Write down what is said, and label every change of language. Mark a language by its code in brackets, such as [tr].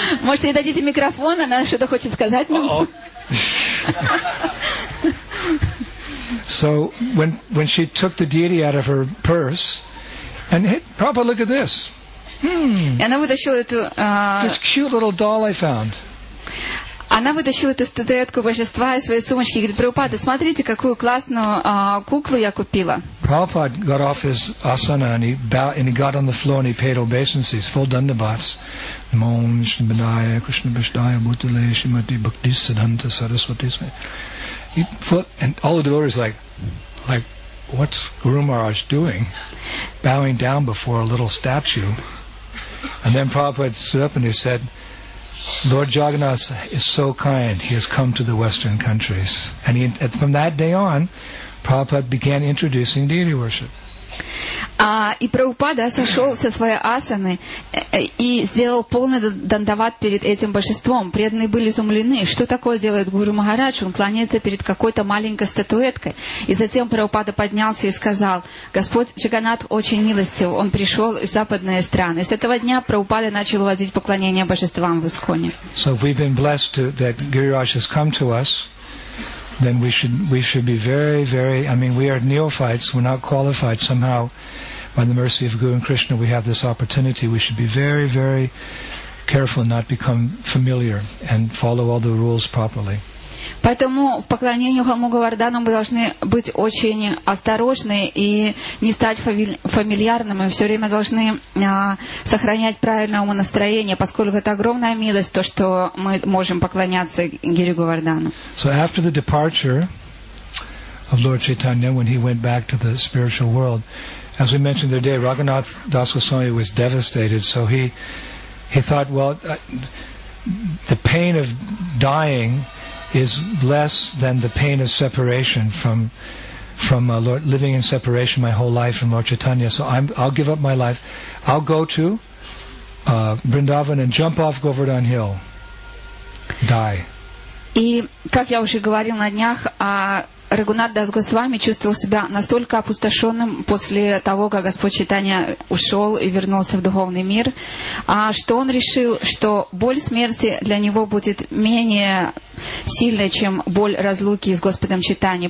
[ru] Можете ей дадите микрофон, она что-то хочет сказать нам. [en] So when she took the deity out of her purse, and hey, Prabhupada, look at this. [ru] Она вытащила эту. [en] This cute little doll I found. [ru] Она вытащила эту статуэтку божества из своей сумочки и говорит: Прабхупада, смотрите, какую классную куклу я купила. [en] Prabhupada got off his asana and he got on the floor and he paid obeisances, full dandabats. [sa] Mom, Shambhaya, Krishna Bhishtaya, Bhutale, Shimati, Bhakti, Siddhanta, Saraswati. [en] And all the devotees like, what's Guru Maharaj doing? Bowing down before a little statue. And then Prabhupada stood up and he said, Lord Jagannath is so kind, he has come to the Western countries. And from that day on, Prabhupada began introducing deity worship. [ru] И Прабхупада сошел со своей асаны и сделал полный дандават перед этим божеством. Преданные были изумлены. Что такое делает Гуру Махарадж? Он кланяется перед какой-то маленькой статуэткой. И затем Прабхупада поднялся и сказал, Господь Джаганнат очень милостив. Он пришел из западной страны. С этого дня Прабхупада начал возить поклонение божествам в Исконе. [en] So we've been blessed that Guru Maharaj has come to us. Then we should be very, very, I mean, we are neophytes, we're not qualified. Somehow, by the mercy of Guru and Krishna, we have this opportunity. We should be very, very careful and not become familiar and follow all the rules properly. [ru] Поэтому в поклонении Хому Говардану мы должны быть очень осторожны и не стать фамильярными. Мы все время должны сохранять правильное умонастроение, поскольку это огромная милость, то, что мы можем поклоняться Гире Говардану. [en] So after the departure of Lord Chaitanya, when he went back to the spiritual world, as we mentioned the other day, Raghunath Das Goswami was devastated, so he thought, well, the pain of dying is less than the pain of separation from Lord, living in separation my whole life from Lord Chaitanya. So I'll give up my life. I'll go to Vrindavan and jump off Govardhan Hill. Die. [ru] И как я уже говорил на днях, Рагунат Дас Госвами чувствовал себя настолько опустошенным после того, как Господь Чайтанья ушел и вернулся в духовный мир, что он решил, что боль смерти для него будет менее сильной, чем боль разлуки с Господом Чайтаньей.